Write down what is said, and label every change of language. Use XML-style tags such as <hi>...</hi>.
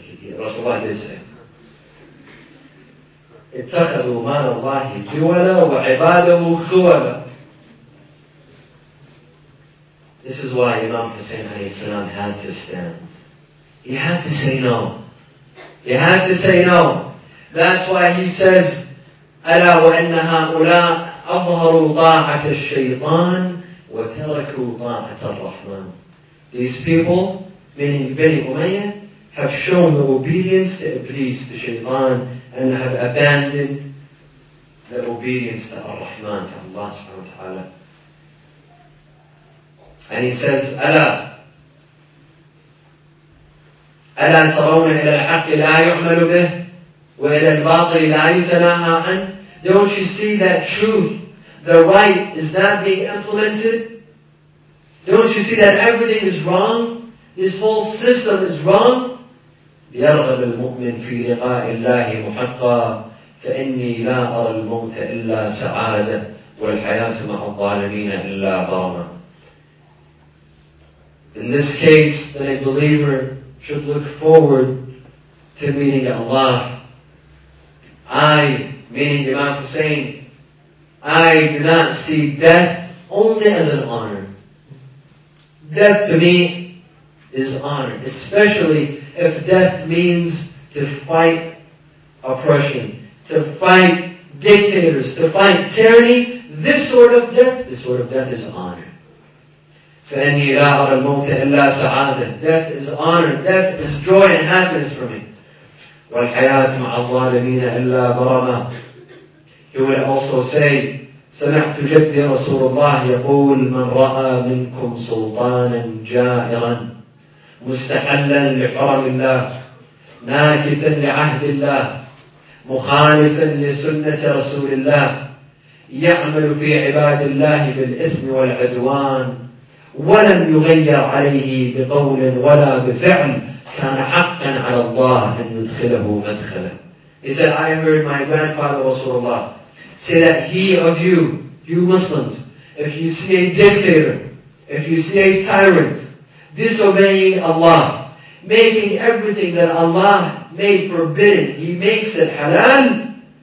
<en>Rasulullah did say it.</en> <ar>اتخذوا ما الله دولا وعباده خولا.</ar> <en>This is why Imam Hussein alayhi salam had to stand. He had to say no. He had to say no. That's why he says,</en> <ar>أَلَا وَإِنَّ هَؤُلَاء أَظْهَرُوا طَاعَةَ الشَّيْطَانِ وَتَرَكُوا طَاعَةَ الرَّحْمَانِ.</ar> <en>These people, meaning Bani Umayyah, have shown the obedience to Iblis, to Shaytan, and have abandoned the obedience to Ar-Rahman, to Allah subhanahu wa ta'ala. And he says,</en> <ar>ألا ترون إلى الحق لا يعمل به وإلى الباطل لا يتناهى عنه.</ar> <en>Don't you see that truth, the right, is not being implemented? Don't you see that everything is wrong? This whole system is wrong?</en> <ar>يرغب المؤمن في لقاء الله محقا فإني لا أرى الموت إلا سعادة والحياة مع الظالمين إلا برما.</ar> <en>In this case, then a believer should look forward to meeting Allah. I, meaning Imam Hussein, I do not see death only as an honor. Death to me is honor, especially if death means to fight oppression, to fight dictators, to fight tyranny. This sort of death is honor.</en> <ar>فَأَنِّي لَا أَرَى الْمَوْتَ إِلَّا سَعَادَةً.</ar> <en>Death is honor, death is joy and happiness for me.</en> <ar>وَالْحَيَاةُ مَعَ الظَّالِمِينَ إِلَّا بَرَمَةً.</ar> <en>He would also say,</en> <ar>سمعت جدي رسول الله يقول من رأى منكم سلطانا جائرا مستحلا لحرم الله ناكثا لعهد الله مخالفا لسنة رسول الله يعمل في عباد الله بالإثم والعدوان ولم يغير عليه بقول ولا بفعل كان حقا على الله أن يدخله مدخله.</ar> <en>He said, I heard my grandfather Rasulullah say that he of you Muslims, if you see a dictator, if you see a tyrant disobeying Allah, making everything that Allah made forbidden, he makes it halal,</en>